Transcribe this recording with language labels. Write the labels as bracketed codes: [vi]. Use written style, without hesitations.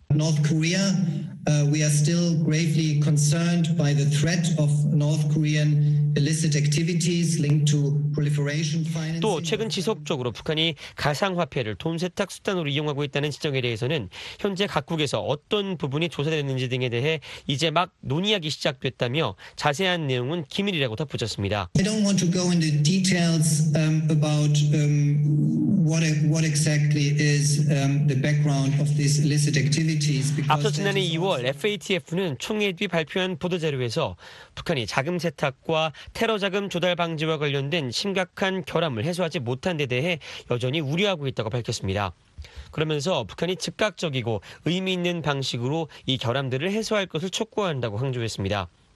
[en] North Korea, we are still gravely concerned by the threat of North Korean illicit activities linked to proliferation financing. [ko] 또 최근 지속적으로 북한이 가상화폐를 돈 세탁 수단으로 이용하고 있다는 지적에 대해서는 현재 각국에서 어떤 부분이 조사됐는지 등에 대해 이제 막 논의하기 시작됐다며 자세한 내용은 기밀이라고 덧붙였습니다. [en] I don't want to go into details about what exactly is the background of these illicit activities. [ko] 앞서 지난해 2월 FATF는 총회 뒤 발표한 보도자료에서 북한이 자금 세탁과 테러 자금 조달 방지와 관련된 심각한 결함을 해소하지 못한 데 대해 여전히 우려하고 있다고 밝혔습니다. 그러면서 북한이 즉각적이고 의미 있는 방식으로 이 결함들을 해소할 것을 촉구한다고 강조했습니다.